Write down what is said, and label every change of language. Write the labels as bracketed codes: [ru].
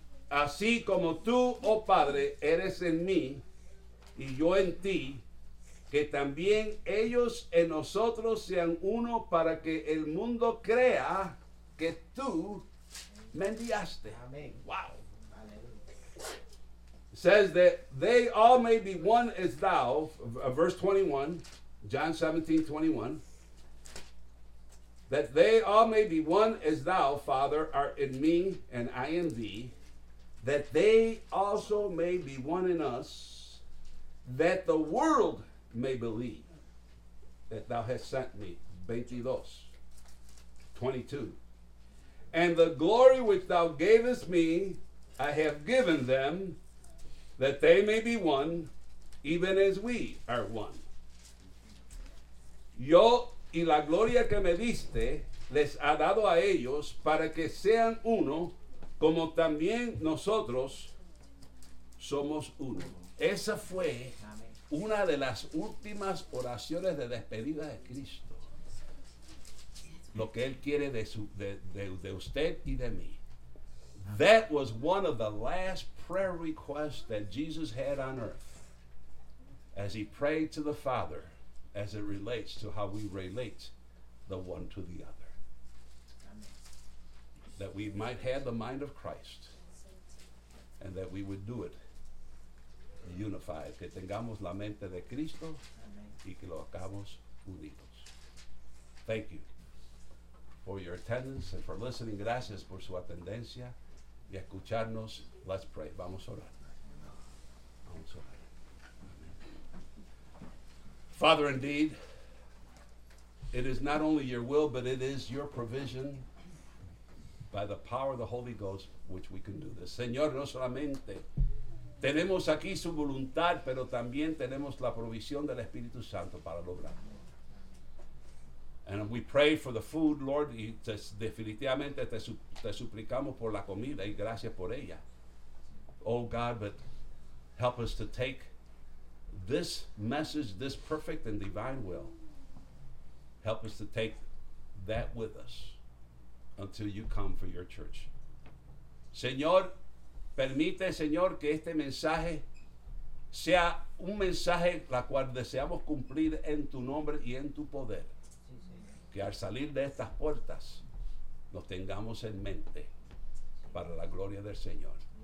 [es] Así como tú, oh Padre, eres en mí y yo en ti, que también ellos en nosotros sean uno para que el mundo crea que tú me enviaste. Amén. [en] Wow. Says that they all may be one as thou, verse 21, John 17, 21, that they all may be one as thou, Father, art in me and I in thee, that they also may be one in us, that the world may believe that thou hast sent me, 22, and the glory which thou gavest me, I have given them, that they may be one, even as we are one. [es] Yo y la gloria que me diste les ha dado a ellos para que sean uno, como también nosotros somos uno. Esa fue una de las últimas oraciones de despedida de Cristo. Lo que Él quiere de, su, de usted y de mí. [en] That was one of the last prayer request that Jesus had on earth as he prayed to the Father as it relates to how we relate the one to the other. Amen. That we might have the mind of Christ and that we would do it unified. [es] Que tengamos la mente de Cristo. Amen. Y que lo hagamos unidos. [en] Thank you for your attendance and for listening. [es] Gracias por su atendencia y escucharnos. [en] Let's pray. [es] Vamos a orar. Vamos a orar. [en] Amen. Father, indeed, it is not only your will, but it is your provision by the power of the Holy Ghost which we can do this. [es] Señor, no solamente tenemos aquí su voluntad, pero también tenemos la provisión del Espíritu Santo para lograrlo. [en] And we pray for the food, Lord, [es] y definitivamente te suplicamos por la comida y gracias por ella. [en] Oh God, but help us to take this message, this perfect and divine will. Help us to take that with us until you come for your church. [es] Señor, permite, Señor, que este mensaje sea un mensaje la cual deseamos cumplir en tu nombre y en tu poder. Que al salir de estas puertas nos tengamos en mente para la gloria del Señor.